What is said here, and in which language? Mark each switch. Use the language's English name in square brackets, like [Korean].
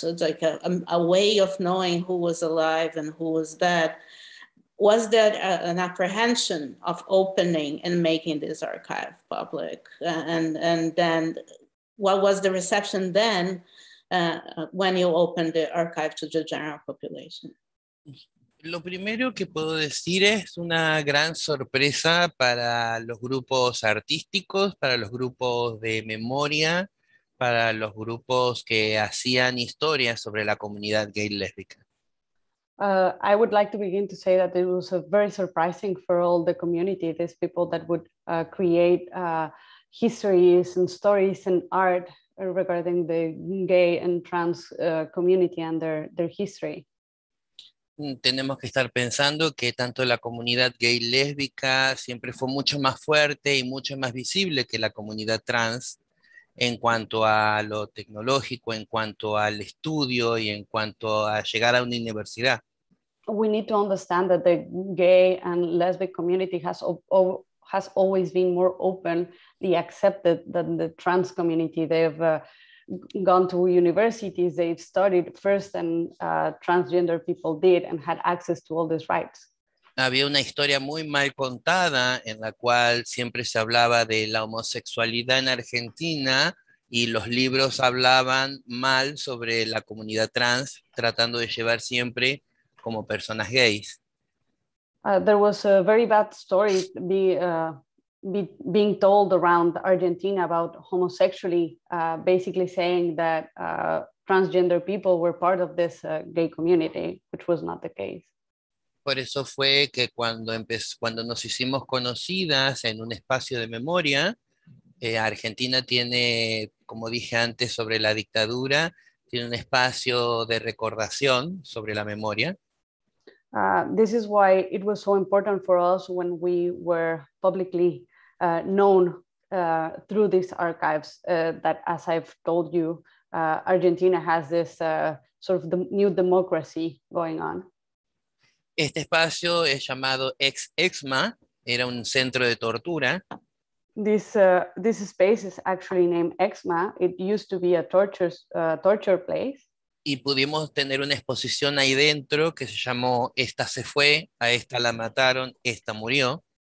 [English] So it's like a way of knowing who was alive and who was dead. Was there an apprehension of opening and making this archive public? And then what was the reception then when you opened the archive to the general population? [Spanish] Lo primero que puedo decir es una gran sorpresa para los grupos artísticos, para los grupos de memoria, para los grupos que hacían historias sobre la comunidad gay lésbica. [English] I would like to begin to say that it was very surprising for all the community, these people that would create histories and stories and art regarding the gay and trans community and their history. [Spanish] Tenemos que estar pensando que tanto la comunidad gay lésbica siempre fue mucho más fuerte y mucho más visible que la comunidad trans en cuanto a lo tecnológico, en cuanto al estudio y en cuanto a llegar a una universidad. [English] We need to understand that the gay and lesbian community has always been more openly accepted than the trans community. They've gone to universities, they've studied first than transgender people did and had access to all these rights. [Spanish] Había una historia muy mal contada en la cual siempre se hablaba de la homosexualidad en Argentina y los libros hablaban mal sobre la comunidad trans, tratando de llevar siempre como personas gays. [English] There was a very bad story being told around Argentina about homosexuality, basically saying that transgender people were part of this gay community, which was not the case. [Spanish] Por eso fue que cuando nos hicimos conocidas en un espacio de memoria, Argentina tiene, como dije antes, sobre la dictadura, tiene un espacio de recordación sobre la memoria. [English] This is why it was so important for us when we were publicly known through these archives that, as I've told you, Argentina has this sort of the new democracy going on. [Spanish] Este espacio es llamado xʷməthkʷəy, era un centro de tortura. [English] This space is actually named xʷməthkʷəy. It used to be a torture place. [Spanish] Y pudimos tener una exposición ahí dentro que se llamó Esta se fue, a esta la mataron, esta murió.